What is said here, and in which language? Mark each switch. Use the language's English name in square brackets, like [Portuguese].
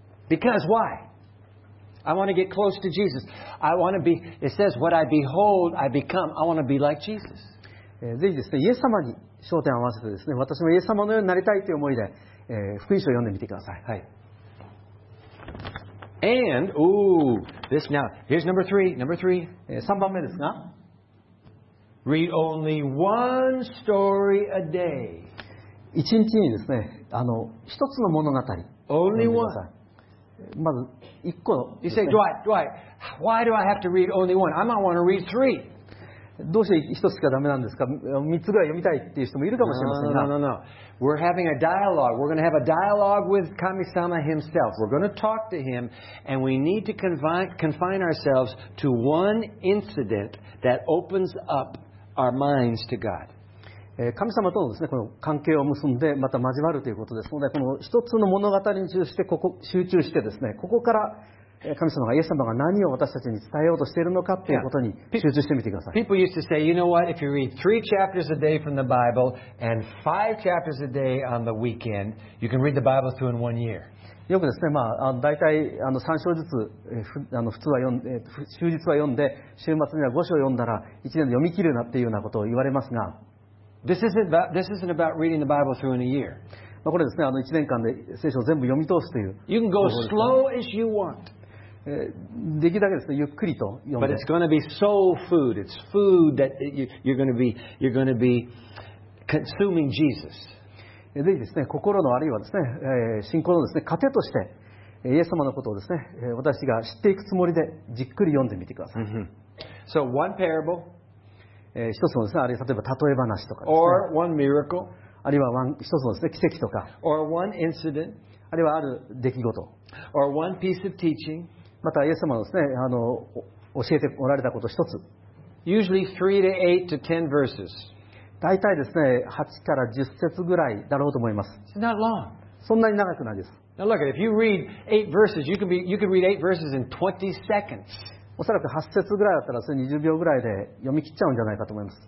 [English] Because why? I want to get close to Jesus. I want to be, it says, what I behold, I become. I want to be like Jesus. [Japanese] ぜひですね、イエス様に焦点を合わせてですね、私もイエス様のようになりたいという思いで、福音書を読んでみてください。はい。 [English] And, ooh, this now, here's number three, number three. [Japanese] 3番目ですが。 [English] Read only one story a day. [Japanese] 1日にですね、1つの物語。 [English] Only one. [Japanese] まず1個ですね。 [English] You say, Dwight, why do I have to read only one? I might want to read three. [Japanese] どうして1つしかダメなんですか ?3 つぐらい読みたいっていう人もいるかもしれませんが。 [English] No. We're having a dialogue. We're going to have a dialogue with Kami-sama himself. We're going to talk to him and we need to confine ourselves to one incident that opens up our minds to God. [Japanese] 神様とのですね、この関係を結んでまた交わるということですので、この1つの物語に集中してですね、ここから神様がイエス様が何を私たちに伝えようとしているのかということに集中してみてください。 [English] Yeah. People used to say, you know what, if you read three chapters a day from the Bible and five chapters a day on the weekend, you can read the Bible through in one year. [Japanese] よくですね、まあ、大体3章ずつ、普通は終日は読んで、週末には5章読んだら1年で読み切るなっていうようなことを言われますが、 [English] This isn't about reading the Bible through in a year. [Japanese] まあ、これですね、1年間で聖書を全部読み通すという。 [English] You can go slow as you want. [Japanese] できるだけですね、ゆっくりと読んで。 [English] But it's going to be soul food. It's food that you're going to be consuming Jesus. [Japanese] ぜひですね、心のあるいはですね、信仰のですね、糧としてイエス様のことをですね、私が知っていくつもりでじっくり読んでみてください。 [English] So one parable. [Japanese] 一つのですね、あるいは例えば例え話とかですね。 [English] Or one miracle. [Japanese] あるいは一つのですね、奇跡とか。 [English] Or one incident. [Japanese] あるいはある出来事。 [English] Or one piece of teaching. [Japanese] またイエス様のですね、教えておられたこと一つ。 [English] Usually 3 to 8 to 10 verses. [Japanese] 大体ですね、8から10節ぐらいだろうと思います。 [English] It's not long. [Japanese] そんなに長くないです。 [English] Now look, if you read 8 verses, you can read 8 verses in 20 seconds. [Japanese] おそらく8節ぐらいだったら、それ20秒ぐらいで読み切っちゃうんじゃないかと思います。